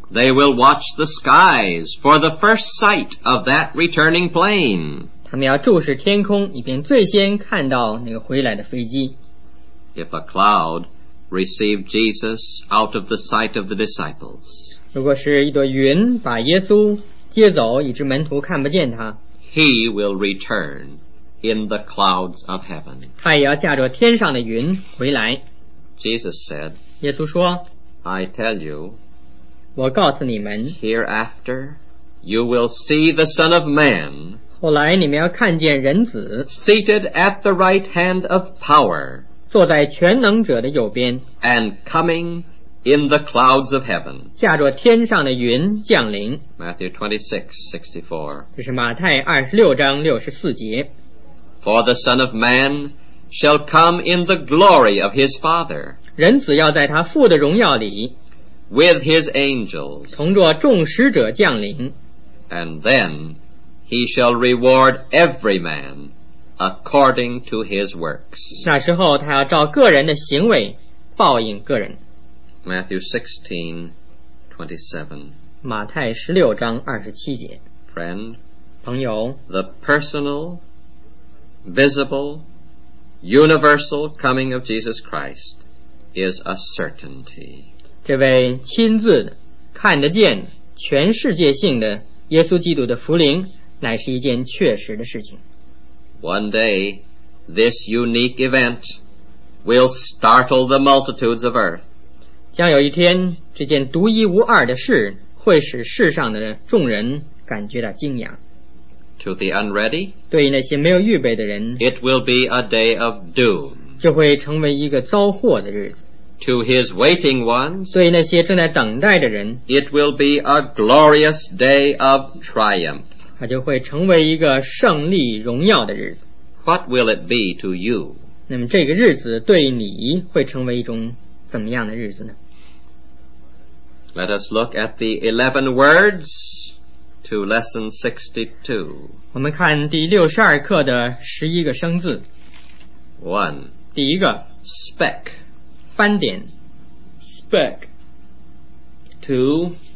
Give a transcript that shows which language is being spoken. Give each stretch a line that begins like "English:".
English: They will watch the skies for the first sight of that returning plane.
Chinese: 他们要注视天空，以便最先看到那个回来的飞机。
English: If a cloud received Jesus out of the sight of the disciples,
Chinese: 如果是一朵云把耶稣接走，以致门徒看不见他，
English: He will return in the clouds of heaven.
Chinese: 他也要驾着天上的云回来。
English: Jesus said,
Chinese: 耶稣说，
English: I tell you,
Chinese: 我告诉你们，
English: Hereafter, you will see the Son of Man,
Chinese: 后来你们要看见人子，
English: seated at the right hand of power,
Chinese: 坐在全能者的右边，
English: and coming in the clouds of heaven,
Chinese: 驾着天上的云降临。
English: Matthew 26:64,
Chinese: 这是马太二十六章六十四节。
English: For the Son of Man shall come in the glory of his Father,
Chinese: 人子要在他父的荣耀里，
English: with his angels,
Chinese: 同着众使者降临。
English: And then he shall reward every manAccording to his works.
Chinese: 那时候他要照个人的行为报应个人。
English: Matthew 16:27.
Chinese: 马太十六章二十七节。
English: Friend,
Chinese: 朋友，
English: The personal, visible, universal coming of Jesus Christ is a certainty.
Chinese: 这位亲自看得见全世界性的耶稣基督的福临乃是一件确实的事情。
English: One day, this unique event will startle the multitudes of earth.
Chinese: 将有一天，这件独一无二的事会使世上的众人感觉到惊讶。
English: To the unready,
Chinese: 对于那些没有预备的人，
English: it will be a day of doom.
Chinese: 就会成为一个遭祸的日子。
English: To his waiting ones,
Chinese: 对于那些正在等待的人，
English: it will be a glorious day of triumph.
Chinese: 它就会成为一个胜利荣耀的日子。
English: What will it be to you?
Chinese: 那么这个日子对你会成为一种怎么样的日子呢？
English: Let us look at the 11 words to lesson 62.
Chinese: 我们看第62课的11个生字。
English: One.
Chinese: 第一个。
English: Speck.
Chinese: 斑点。
English: Speck. Two.